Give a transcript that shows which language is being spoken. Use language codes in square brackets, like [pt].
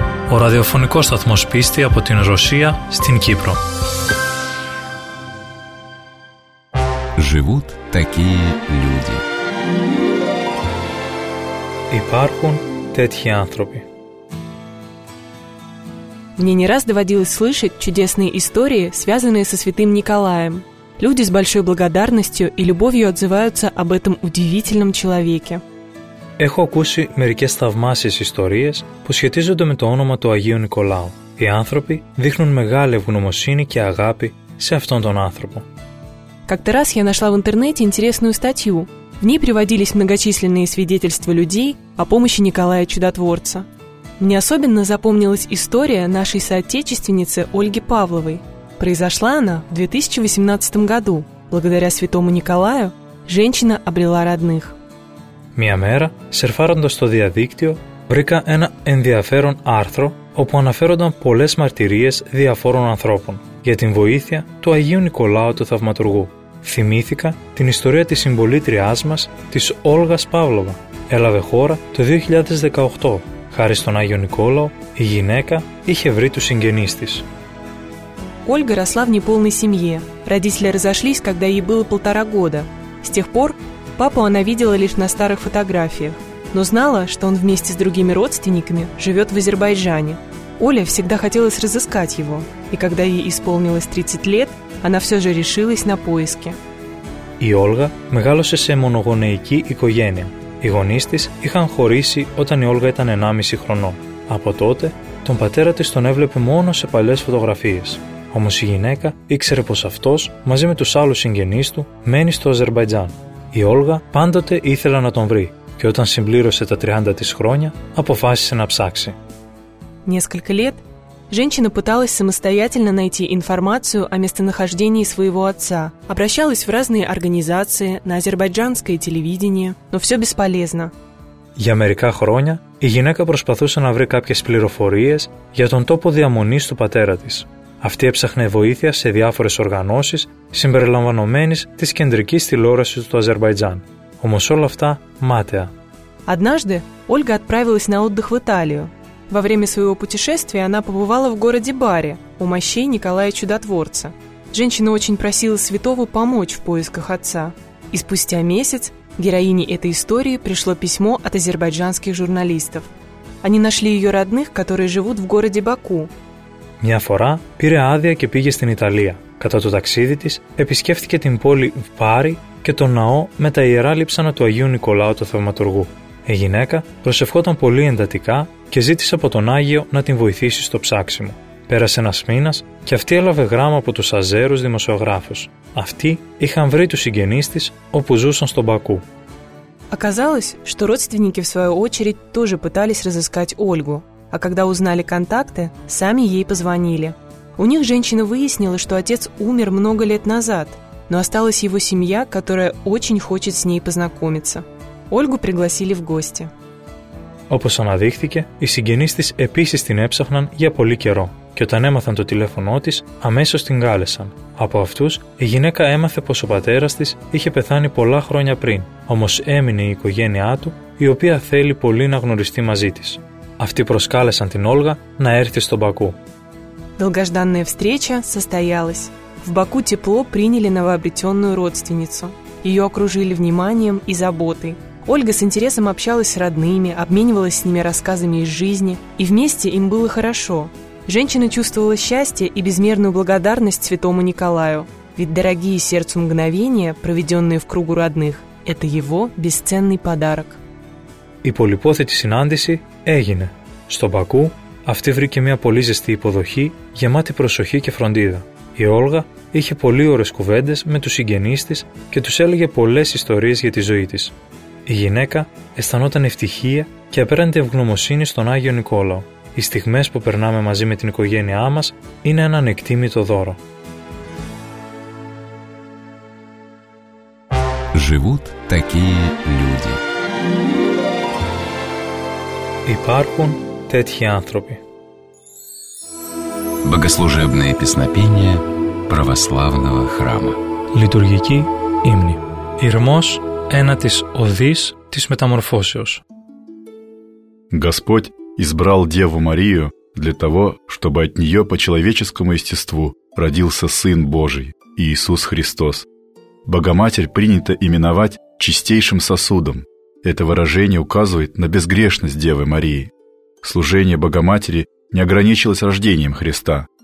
[el] Ο ραδιοφωνικός σταθμός πίστη από την Ρωσία στην Κύπρο. [ru] Живут такие люди. [el] Υπάρχουν τέτοιοι άνθρωποι. [ru] Мне не раз доводилось слышать чудесные истории, связанные со святым Николаем. Люди с большой благодарностью и любовью отзываются об этом удивительном человеке. [el] Έχω ακούσει μερικές θαυμάσιες ιστορίες που σχετίζονται με το όνομα του Αγίου Νικολάου. Οι άνθρωποι δείχνουν μεγάλη ευγνωμοσύνη και αγάπη σε αυτόν τον άνθρωπο. [ru] Как-то раз я нашла в интернете интересную статью. В ней приводились многочисленные свидетельства людей о помощи Николая Чудотворца. Мне особенно запомнилась история нашей соотечественницы Ольги Павловой. Произошла она в 2018 году. Благодаря святому Николаю женщина обрела родных. [el] Μια μέρα, σερφάροντας το διαδίκτυο, βρήκα ένα ενδιαφέρον άρθρο όπου αναφέρονταν πολλές μαρτυρίες διαφόρων ανθρώπων για την βοήθεια του Αγίου Νικολάου του Θαυματουργού. Θυμήθηκα την ιστορία της συμπολίτριάς μας, της Όλγας Παύλοβα. Έλαβε χώρα το 2018. Χάρη στον Άγιο Νικόλαο, η γυναίκα είχε βρει τους συγγενείς της. [ru] Όλγα росла в неполной семье. Родители разошлись, когда ей было 1.5 года. С тех пор папу она видела лишь на старых фотографиях, но знала, что он вместе с другими родственниками живет в Азербайджане. Оля всегда хотелось разыскать его, и когда ей исполнилось 30 лет, она все же решилась на поиски. [el] Η Όλγα μεγάλωσε σε μονογονεϊκή οικογένεια. Οι γονείς της είχαν χωρίσει όταν η Όλγα ήταν 1,5 χρονών. Από τότε, τον πατέρα της τον έβλεπε μόνο σε παλιές φωτογραφίες. Όμως η γυναίκα ήξερε πως αυτός, μαζί με τους άλλους συγγενείς του, μένει στο Αζερβαϊτζάν. Η Όλγα πάντοτε ήθελε να τον βρει και όταν συμπλήρωσε τα 30 της χρόνια, αποφάσισε να ψάξει. [ru] Несколько лет женщина пыталась самостоятельно найти информацию о местонахождении своего отца, обращалась в разные организации, на азербайджанское телевидение, но все бесполезно. [el] Για μερικά χρόνια η γυναίκα προσπαθούσε να βρει κάποιες πληροφορίες για τον τόπο διαμονής του πατέρα της. Αυτή έψαχνε βοήθεια σε διάφορες οργανώσεις, συμπεριλαμβανομένης της κεντρικής τηλεόρασης του Αζερβαϊτζάν. Όμως όλα αυτά μάταια. [ru] Однажды Ольга отправилась на отдых в Италию. Во время своего путешествия она побывала в городе Бари у мощей Николая Чудотворца. Женщина очень просила святого помочь в поисках отца. И спустя месяц героине этой истории пришло письмо от азербайджанских журналистов. Они нашли ее родных, которые живут в городе Баку. [el] Μια φορά πήρε άδεια και πήγε στην Ιταλία. Κατά το ταξίδι της επισκέφθηκε την πόλη Βάρη και τον ναό με τα ιερά λείψανα του Αγίου Νικολάου του Θαυματουργού. Η γυναίκα προσευχόταν πολύ εντατικά και ζήτησε από τον Άγιο να την βοηθήσει στο ψάξιμο. Πέρασε ένας μήνας και αυτή έλαβε γράμμα από τους Αζέρους δημοσιογράφους. Αυτοί είχαν βρει τους συγγενείς της όπου ζούσαν στον Μπακού. [ru] Оказалось, что родственники в свою очередь тоже пытались разыскать Ольгу. А когда узнали контакты, сами ей позвонили. У них женщина выяснила, что отец умер много лет назад, но осталась его семья, которая очень хочет с ней познакомиться. Ольгу пригласили в гости. [el] Όπως αναδείχθηκε, οι συγγενείς της επίσης την έψαχναν για πολύ καιρό και όταν έμαθαν το τηλέφωνό της, αμέσως την κάλεσαν. Από αυτούς, η γυναίκα έμαθε πως ο πατέρας της είχε πεθάνει πολλά χρόνια πριν, όμως έμεινε η οικογένειά του, η οποία θέλει πολύ να γνωριστεί μαζί της. Αυτοί προσκάλεσαν την Όλγα να έρθει στον Μπακού. [ru] Долгожданная встреча состоялась. В Баку тепло приняли новообретенную родственницу. Ее окружили вниманием и заботой. Ольга с интересом общалась с родными, обменивалась с ними рассказами из жизни, и вместе им было хорошо. Женщина чувствовала счастье и безмерную благодарность святому Николаю, ведь дорогие сердцу мгновения, проведенные в кругу родных, это его бесценный подарок. [el] Η πολυπόθετη συνάντηση έγινε. Στο Μπακού, αυτή βρήκε μια πολύ ζεστή υποδοχή, γεμάτη προσοχή και φροντίδα. Η Όλγα είχε πολύ ωραίες κουβέντες με τους συγγενείς της και τους έλεγε πολλές ιστορίες για τη ζωή της. Η γυναίκα αισθανόταν ευτυχία και απέραντη ευγνωμοσύνη στον Άγιο Νικόλαο. Οι στιγμές που περνάμε μαζί με την οικογένειά μας είναι ένα ανεκτίμητο δώρο. [ru] Живут такие люди. [el] Υπάρχουν τέτοιοι άνθρωποι. [ru] Богослужебные песнопения православного храма. [el] Λειτουργική ύμνη. Ιρμός ένατης οδής της μεταμορφώσεως. [ru] Господь избрал Деву Марию для того, чтобы от нее по человеческому естеству родился Сын Божий, Иисус Христос. Богоматерь принято именовать чистейшим сосудом. Это выражение указывает на безгрешность Девы Марии. Служение Богоматери не ограничилось рождением Христа.